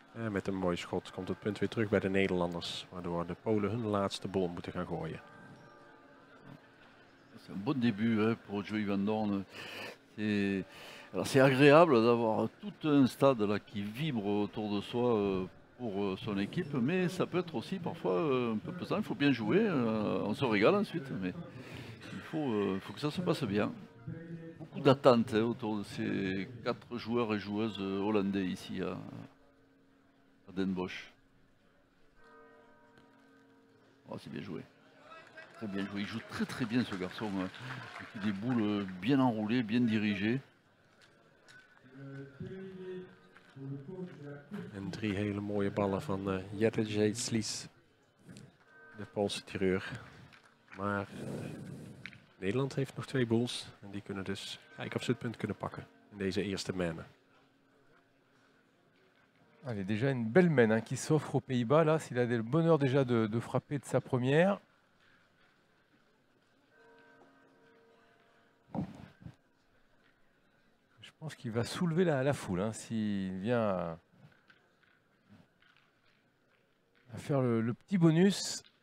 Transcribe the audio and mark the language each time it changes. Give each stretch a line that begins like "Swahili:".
Dutch: Met een mooi schot komt het punt weer terug bij de Nederlanders, waardoor de Polen hun laatste bol moeten gaan gooien. Dat is een
French: bon début hè, pour Joey Vendôme. C'est agréable d'avoir tout un stade là qui vibre autour de soi pour son équipe, mais ça peut être aussi parfois un peu pesant. Il faut bien jouer, on se régale ensuite, mais il faut que ça se passe bien. Beaucoup d'attentes hein, autour de ces quatre joueurs et joueuses hollandais ici. Hein. Den Bosch. Oh, c'est bien joué. Très bien joué. Il joue très très bien ce garçon. Il a des boules bien enroulées, bien dirigées.
Dutch: En drie hele mooie ballen van Jette Jeetslies, de Poolse tireur. Maar Nederland heeft nog twee boels. En die kunnen dus kijken of ze het punt kunnen pakken in deze eerste manne.
French: Allez, déjà une belle main hein, qui s'offre aux Pays-Bas là, s'il a le bonheur déjà de frapper de sa première. Je pense qu'il va soulever la foule hein, s'il vient à faire le petit bonus.